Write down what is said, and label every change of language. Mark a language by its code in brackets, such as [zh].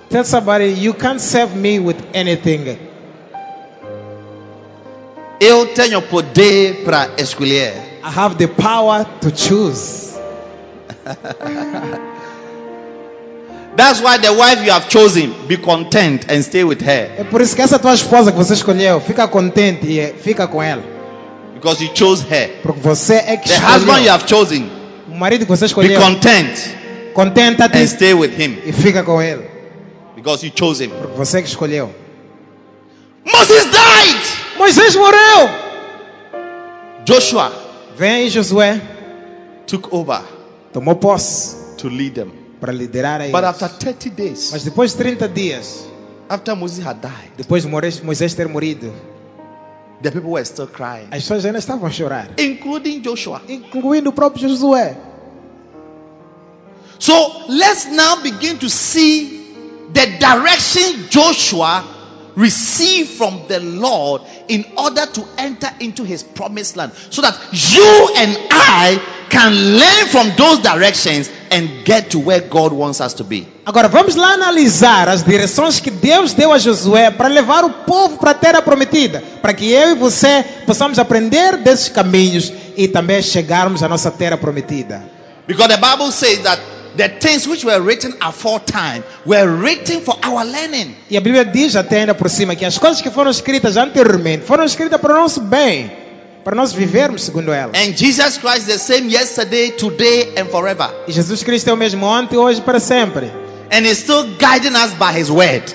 [en] Tell somebody, you can't serve me with anything. [pt] Eu tenho poder para escolher. [en] I have the power to choose. That's why the wife you have chosen, be content and stay with her. [pt] É por isso que essa tua esposa que você escolheu, fica contente e fica com ela. [en] Because you chose her. [pt] Porque você é que [en] the [pt] escolheu. [en] The husband you have chosen. [pt] O marido que você escolheu. [en] Be content. [pt] Contenta-te. [en] And stay with him. [pt] E fica com ele. [en] Because you chose him. [pt] Porque você é que escolheu. [en] Moses died. [pt] Moisés morreu. [en] Joshua. [pt] Vem Josué. [en] Took over. [pt] Tomou posse. [en] To lead them. [pt] Para liderar a eles. [en] But after 30 days. [pt] Mas depois de 30 dias. [en] After Moses had died. [pt] Depois de Moisés ter morrido. [en] The people were still crying. [pt] As pessoas ainda estavam a chorar. [en] Including Joshua. [pt] Incluindo o próprio Josué. [en] So let's now begin to see the direction Joshua received from the Lord in order to enter into his promised land, so that you and I can learn from those directions and get to where God wants us to be. [pt] Agora vamos lá analisar as direções que Deus deu a Josué para levar o povo para a terra prometida, para que eu e você possamos aprender desses caminhos e também chegarmos à nossa terra prometida. [en] Because the Bible says that the things which were written aforetime were written for our learning. [pt] E a Bíblia diz até ainda por cima que as coisas que foram escritas anteriormente foram escritas para o nosso bem, para nós vivermos segundo ela. [en] And Jesus Christ the same yesterday, today and forever. [pt] E Jesus Cristo é o mesmo ontem, hoje e para sempre. [en] And he's still guiding us by his word.